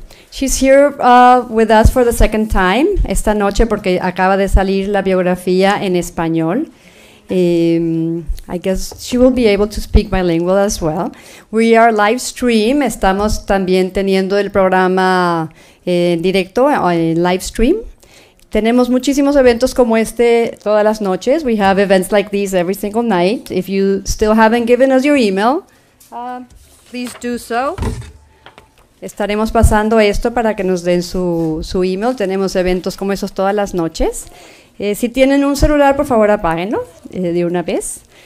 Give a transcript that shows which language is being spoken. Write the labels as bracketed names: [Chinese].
[English] She's here with us for the second time [Spanish] esta noche porque acaba de salir la biografía en español. [English] I guess she will be able to speak bilingual as well. We are live stream. [Spanish] Estamos también teniendo el programa en directo, en live stream. Tenemos muchísimos eventos como este todas las noches. [English] We have events like these every single night. If you still haven't given us your email, please do so. [Spanish] Estaremos pasando esto para que nos den su email. Tenemos eventos como esos todas las noches. Si tienen un celular, por favor, apáguenlo de una vez.